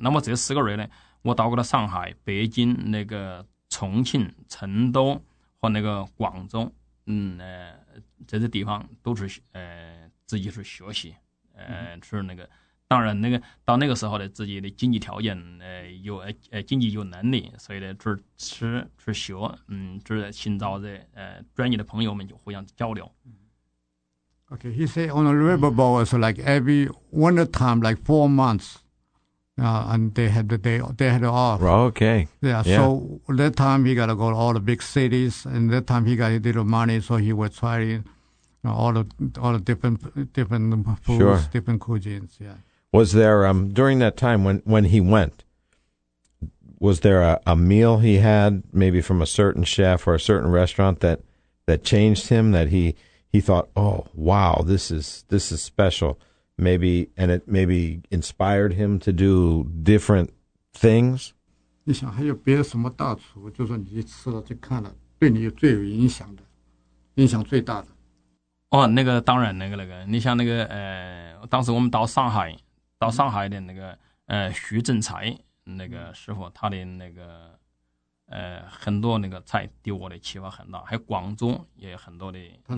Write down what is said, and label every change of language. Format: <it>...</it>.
<zh>那么这四个人呢，我到过了上海、北京、那个重庆、成都和那个广州，这些地方都是自己去学习，是那个。当然，那个到那个时候的自己的经济条件，经济有能力，所以呢，就是吃去学，就是寻找这专业的朋友们就互相交流。</zh> <en>Okay, he said on a riverboat was like every winter time, like 4 months, and they had off. Okay. Yeah. So that time he got to go to all the big cities, and that time he got a little money, so he was trying all the different foods, sure. different cuisines. Yeah. Was there, during that time when he went, was there a meal he had maybe from a certain chef or a certain restaurant that changed him, that he thought, oh, wow, this is special, maybe, and it maybe inspired him to do different things?</en> <zh>你想还有别的什么大厨，就是你吃了就看了，对你最有影响的，影响最大的。哦，那个当然，那个，你像那个，当时我们到上海。到上海的那个徐正才那个师傅，他的那个很多那个菜对我的启发很大，还有广州也有很多的、那个。</zh>